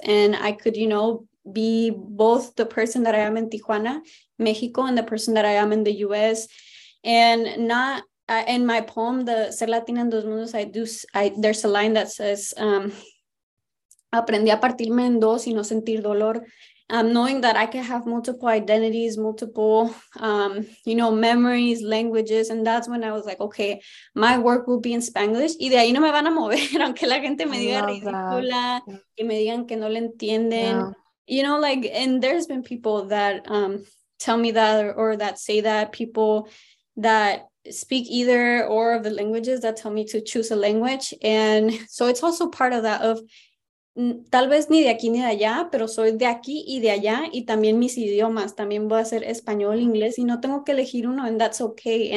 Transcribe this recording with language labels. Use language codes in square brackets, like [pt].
[en] And I could, you know, be both the person that I am in Tijuana, Mexico, and the person that I am in the U.S., and not in my poem, the Ser Latina en Dos Mundos, there's a line that says, [es] aprendí a partirme en dos y no sentir dolor. [en] Knowing that I can have multiple identities, multiple, you know, memories, languages. And that's when I was like, okay, my work will be in Spanglish. [es] Y de ahí no me van a mover, aunque la gente me diga ridícula, y me digan que no le entienden. [en] Yeah. You know, like, and there's been people that tell me that or that say that, people that speak either or of the languages that tell me to choose a language. And so it's also part of that, of [es] tal vez ni de aquí ni de allá, pero soy de aquí y de allá, y también mis idiomas, también voy a ser español, inglés, y no tengo que elegir uno, [en] and that's okay.